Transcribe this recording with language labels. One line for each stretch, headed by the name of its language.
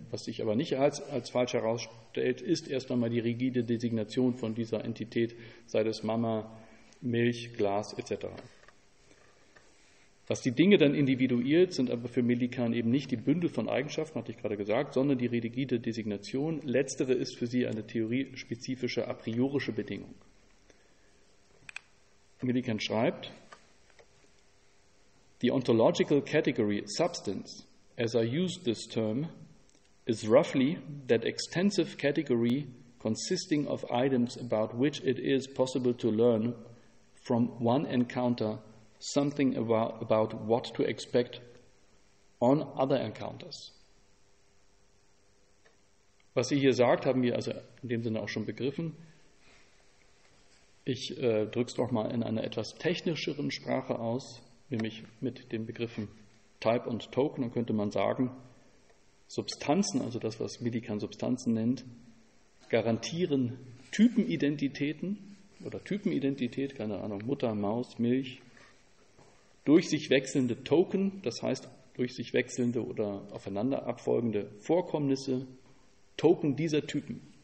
German: Was sich aber nicht als falsch herausstellt, ist erst einmal die rigide Designation von dieser Entität, sei das Mama, Milch, Glas etc. Was die Dinge dann individuiert, sind aber für Millikan eben nicht die Bündel von Eigenschaften, hatte ich gerade gesagt, sondern die rigide Designation. Letztere ist für sie eine theoriespezifische, a priorische Bedingung.
English: Millikan schreibt: "The ontological category substance, as I use this term, is roughly that extensive category consisting of items about which it is possible to learn from one encounter something about what to expect on other encounters."
German: Was sie hier sagt, haben wir also in dem Sinne auch schon begriffen. Ich drücke es doch mal in einer etwas technischeren Sprache aus, nämlich mit den Begriffen Type und Token. Dann könnte man sagen, Substanzen, also das, was Millikan Substanzen nennt, garantieren Typenidentitäten oder Typenidentität, keine Ahnung, Mutter, Maus, Milch, durch sich wechselnde Token, das heißt durch sich wechselnde oder aufeinander abfolgende Vorkommnisse, Token dieser Typen.